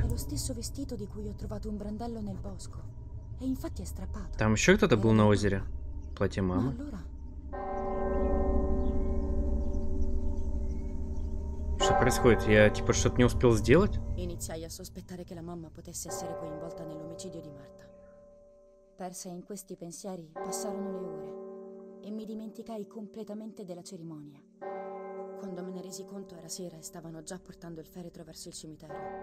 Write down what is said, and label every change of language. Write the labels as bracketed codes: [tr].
[it] È lo stesso vestito di cui ho trovato un brandello nel bosco. E infatti è strappato. [ru] Там еще кто-то был на озере. Платье мамы. [it] Allora... [ru] Что происходит? Я типа что-то не успел сделать? [it] Iniziai a sospettare che la mamma potesse essere coinvolta nell'omicidio di Marta. Persa in questi pensieri, passarono le ore e mi dimenticai completamente della cerimonia. Quando me ne resi conto era sera e stavano già portando il feretro verso il cimitero.